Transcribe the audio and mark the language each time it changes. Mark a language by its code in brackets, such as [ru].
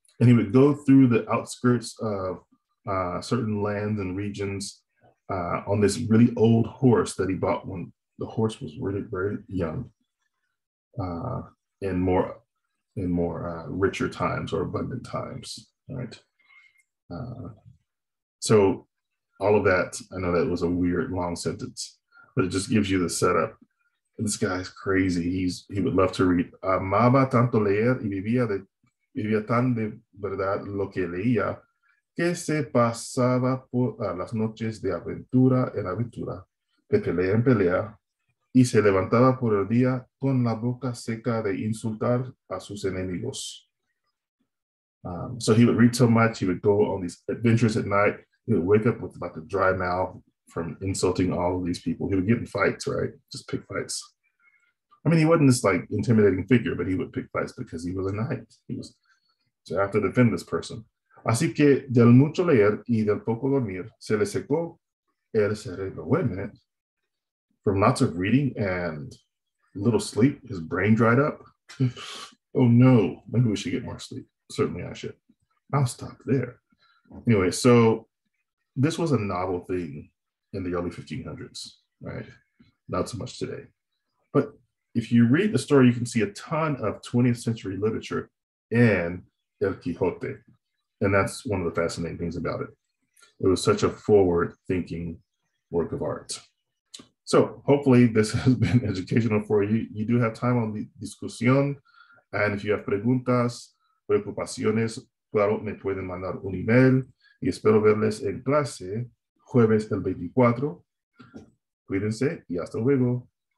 [en] And he would go through the outskirts of certain lands and regions on this really old horse that he bought when the horse was really very young in more richer times or abundant times, right? So all of that, I know that was a weird long sentence, but it just gives you the setup. This guy's crazy. He would love to read. [es] Amaba tanto leer y vivía tan de verdad lo que leía que se pasaba por las noches de aventura en aventura, de pelea en pelea, y se levantaba por el día con la boca seca de insultar a sus enemigos. [en] So he would read so much, he would go on these adventures at night, he would wake up with like a dry mouth from insulting all of these people. He would get in fights, right? Just pick fights. I mean, he wasn't this like intimidating figure, but he would pick fights because he was a knight. So I have to defend this person. [es] Así que del mucho leer y del poco dormir, se le secó el cerebro. [en] Wait a minute. From lots of reading and little sleep, his brain dried up. Oh no, maybe we should get more sleep. Certainly I should. I'll stop there. Anyway, so this was a novel thing in the early 1500s, right? Not so much today. But if you read the story, you can see a ton of 20th century literature in El Quijote. And that's one of the fascinating things about it. It was such a forward-thinking work of art. So hopefully this has been educational for you. You do have time on the discusión. And if you have preguntas, [es] preocupaciones, claro, me pueden mandar un email y espero verles en clase jueves el 24. Cuídense y hasta luego.